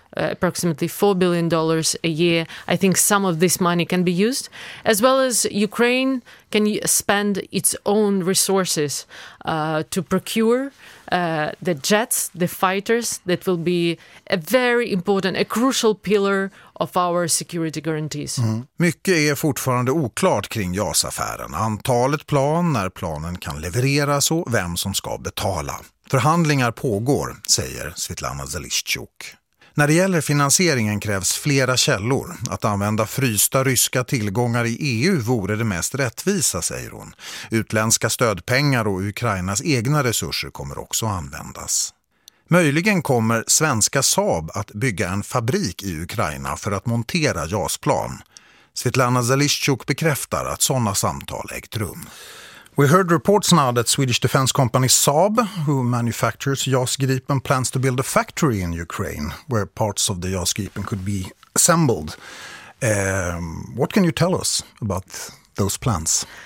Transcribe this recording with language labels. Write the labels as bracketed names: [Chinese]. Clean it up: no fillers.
[English] Approximately $4 billion a year. I think some of this money can be used, as well as Ukraine can spend its own resources to procure the jets, the fighters, that will be a very important, a crucial pillar of our security guarantees. Mm. [Swedish] Mycket är fortfarande oklart kring JAS-affären. Antalet plan, när planen kan levereras och vem som ska betala. Förhandlingar pågår, säger Svetlana Zelischuk. När det gäller finansieringen krävs flera källor. Att använda frysta ryska tillgångar i EU vore det mest rättvisa, säger hon. Utländska stödpengar och Ukrainas egna resurser kommer också användas. Möjligen kommer svenska Saab att bygga en fabrik i Ukraina för att montera JAS-plan. Svetlana Zelischuk bekräftar att sådana samtal ägt rum. [English] We heard reports now that Swedish defense company Saab, who manufactures JAS Gripen, plans to build a factory in Ukraine where parts of the JAS Gripen could be assembled. What can you tell us about those plans?